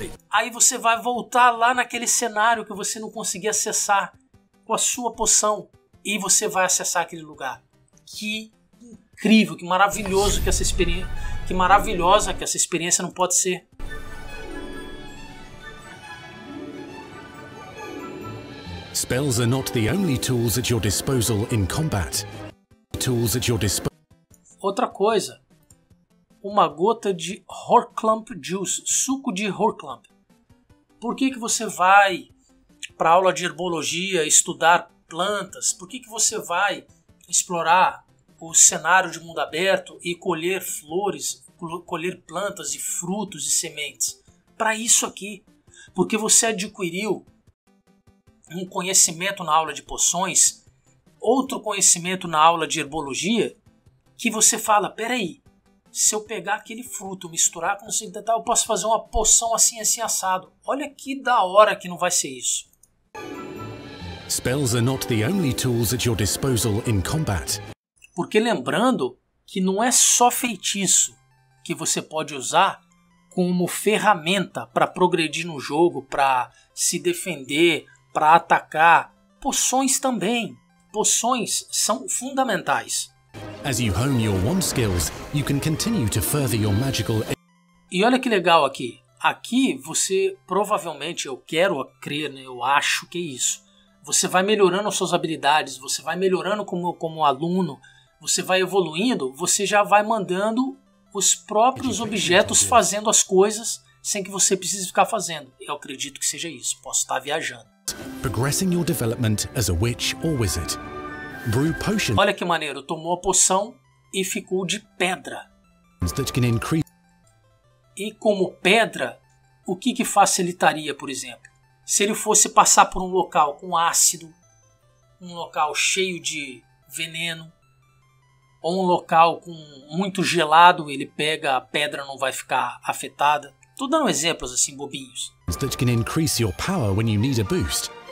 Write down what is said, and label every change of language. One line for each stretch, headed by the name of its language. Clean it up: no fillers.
Portuguese: Aí você vai voltar lá naquele cenário que você não conseguia acessar com a sua poção e você vai acessar aquele lugar. Que incrível, que maravilhoso que essa experiência, que maravilhosa que essa experiência não pode ser.
English: Spells are not the only tools at your disposal in combat. Tools at your disposal.
Portuguese: Outra coisa. Uma gota de Horclump Juice, suco de Horclump. Por que que você vai para aula de herbologia estudar plantas? Por que que você vai explorar o cenário de mundo aberto e colher flores, colher plantas e frutos e sementes? Para isso aqui. Porque você adquiriu um conhecimento na aula de poções, outro conhecimento na aula de herbologia, que você fala, peraí, se eu pegar aquele fruto, misturar, consigo tentar, eu posso fazer uma poção assim, assim, assado. Olha que da hora que não vai ser isso.
English: Spells are not the only tools at your disposal in combat.
Portuguese: Porque lembrando que não é só feitiço que você pode usar como ferramenta para progredir no jogo, para se defender, para atacar. Poções também. Poções são fundamentais.
English: As you hone your wand skills, you can continue to further your magical.
Portuguese: E olha que legal aqui. Aqui você provavelmente, eu quero crer, né? Eu acho que é isso. Você vai melhorando suas habilidades, você vai melhorando como aluno, você vai evoluindo, você já vai mandando os próprios objetos fazendo as coisas sem que você precise ficar fazendo. Eu acredito que seja isso, posso estar viajando.
English: Progressing your development as a witch or wizard. Brew potion.
Portuguese: Olha que maneiro, tomou a poção e ficou de pedra.
English: That can increase.
Portuguese: E como pedra, o que que facilitaria, por exemplo? Se ele fosse passar por um local com ácido, um local cheio de veneno, ou um local com muito gelado, ele pega, a pedra não vai ficar afetada. Tô dando exemplos assim, bobinhos.
English: That can increase your power when you need a boost.